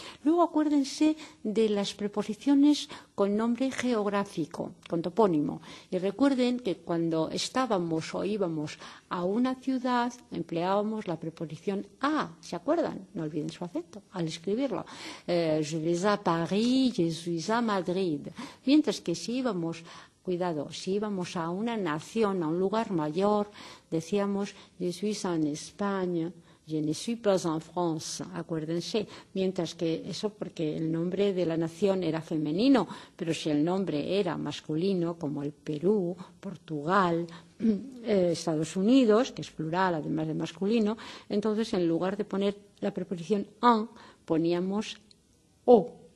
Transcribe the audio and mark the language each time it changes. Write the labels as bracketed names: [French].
[Spanish] Luego acuérdense de las preposiciones con nombre geográfico, con topónimo. Y recuerden que cuando estábamos o íbamos a una ciudad, empleábamos la preposición a, ¿se acuerdan? No olviden su acento al escribirlo. [French] Je vais à Paris, je suis à Madrid. [Spanish] Mientras que si íbamos, cuidado, si íbamos a una nación, a un lugar mayor, decíamos [French] je suis en [Spanish] España. [French] Je ne suis pas en France, [Spanish] acuérdense. Mientras que eso porque el nombre de la nación era femenino, pero si el nombre era masculino, como el Perú, Portugal, Estados Unidos, que es plural además de masculino, entonces en lugar de poner la preposición en, poníamos o.